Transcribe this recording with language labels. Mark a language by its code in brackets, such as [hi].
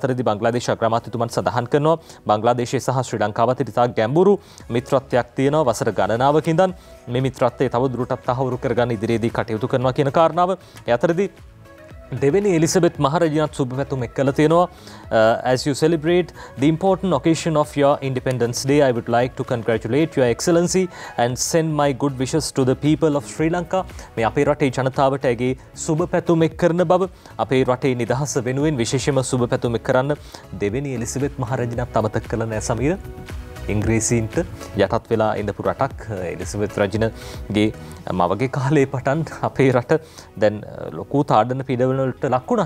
[si] අතරදී බංග්ලාදේශ අග්‍රාමාත්‍යතුමන් සඳහන් කරනවා බංග්ලාදේශයේ සහ ශ්‍රී ලංකාව අතර ඉතා ගැඹුරු මිත්‍රත්වයක් තියෙනවා. වසර ගණනාවක ඉඳන් මේ මිත්‍රත්වය තවදුරටත් තහවුරු කරගන්න ඉදිරියේදී කටයුතු කරනවා කියන කාරණාව. ඒ අතරදී දෙවෙනි එලිසබෙත් මහරජිනත් සුබ පැතුම් එක්කලා තියෙනවා. [en] As you celebrate the important occasion of your Independence Day, I would like to congratulate Your Excellency and send my good wishes to the people of Sri Lanka. [si] මේ අපේ රටේ ජනතාවට ඇගේ සුබ පැතුම් එක්කරන බව, අපේ රටේ නිදහස වෙනුවෙන් විශේෂම සුබ පැතුම් එක්කරන්න දෙවෙනි එලිසබෙත් මහරජිනත් අමතක කළ නෑ සමීර. ඉංග්‍රීසීන්ට යටත් වෙලා ඉඳපු රටක් එලිසබෙත් රජිනගේ මවගේ කාලයේ පටන් අපේ රට දැන් ලොකු තාඩන පීඩනවලට ලක්ුණා.